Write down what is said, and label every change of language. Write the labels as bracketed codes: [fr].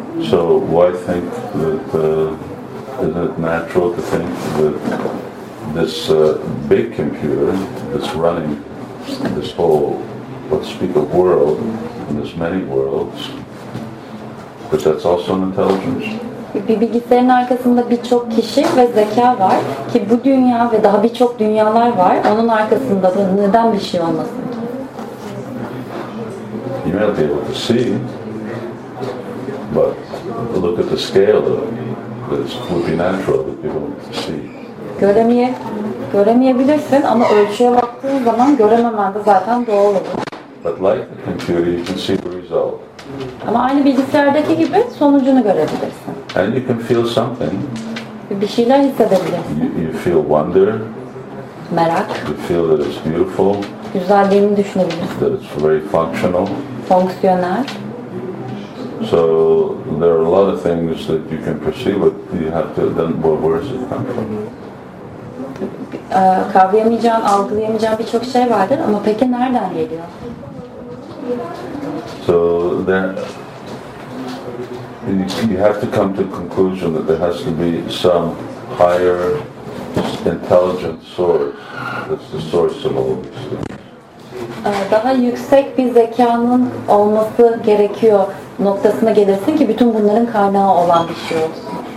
[en] So why think that is it natural to think that this big computer that's running this whole, let's speak of world, and there's many worlds. But that's also an intelligence. [tr] Bir bilgisayarın arkasında birçok kişi ve zeka var ki bu dünya ve daha birçok dünyalar var. Onun arkasında da neden bir şey olmasın? [en] You may not be able to see, but look at the scale of it. It would be natural that you don't see. [tr] Göremeyebilirsin ama ölçüye baktığın zaman görememen de zaten doğal olur. [en] But like the computer, you can see the result. [tr] Ama aynı bilgisayardaki gibi sonucunu görebilirsin. [en] And you can feel something. [tr] Bir şeyler hissedebilirsin. [en] You feel wonder. [tr] Merak. [en] You feel that it's beautiful. [tr] Güzelliğini düşünebilirsin. [en] That it's very functional. [tr] Fonksiyonel. [en] So there are a lot of things that you can perceive, but you have to then where does it come from? [tr] Kavrayamayacağın, algılayamayacağın birçok şey vardır ama peki nereden geliyor? [en] So then you have to come to a conclusion that there has to be some higher intelligent source that's the source of all these things. [tr] Daha yüksek bir zekanın olması gerekiyor noktasına gelirsin ki bütün bunların kaynağı olan bir şey olsun.